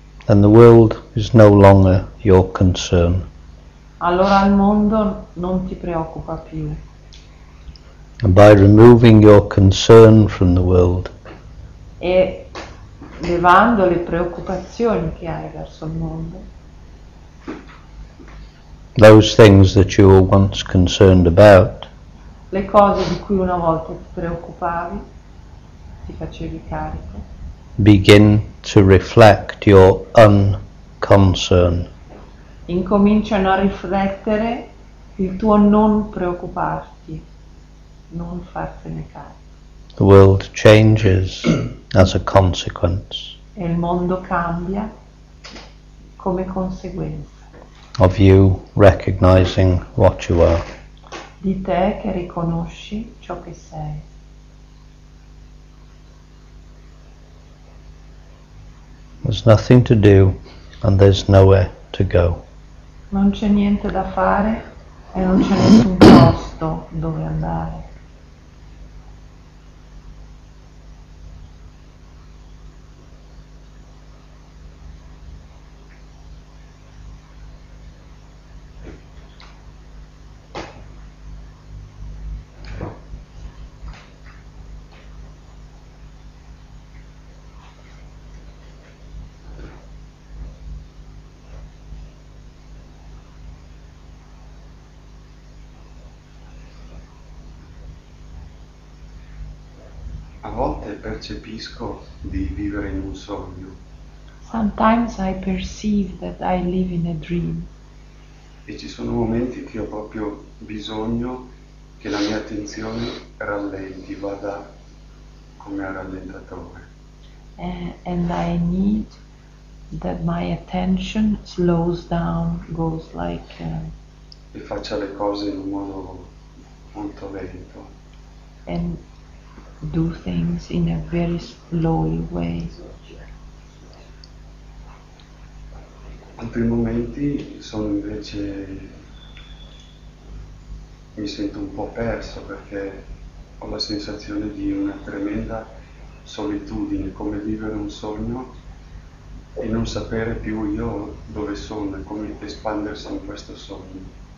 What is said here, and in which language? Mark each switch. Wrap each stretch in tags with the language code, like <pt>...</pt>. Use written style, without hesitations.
<en>then the world is no longer your concern.</en> <it>Allora il mondo non ti preoccupa più.</it> <en>And by removing your concern from the world,</en> <it>e levando le preoccupazioni che hai verso il mondo,</it> <en>those things that you were once concerned about,</en> <it>le cose di cui una volta ti preoccupavi, ti facevi carico,</it> <en>begin to reflect your unconcern.</en> <it>Incominciano a riflettere il tuo non preoccuparti, non fartene carico.</it> <en>The world changes as a consequence.</en> <it>E il mondo cambia come conseguenza.</it> <en>Of you recognizing what you are.</en> <it>Di te che riconosci ciò che sei.</it> <en>There's nothing to do and there's nowhere to go.</en> <it>Non c'è niente da fare e non c'è nessun posto dove andare. Percepisco di vivere in un sogno.</it> <en>Sometimes I perceive that I live in a dream.</en> <it>E ci sono momenti che ho proprio bisogno che la mia attenzione rallenti, vada come un rallentatore.</it> <en>And I need that my attention slows down, goes like</en> <it>e faccia le cose in un modo molto lento.</it> <en>And do things in a very slow way.</en> <it>Altri momenti sono invece mi sento un po' perso perché ho la sensazione di una tremenda solitudine, come vivere un sogno e non sapere più io dove sono e come espandersi in questo sogno.</it>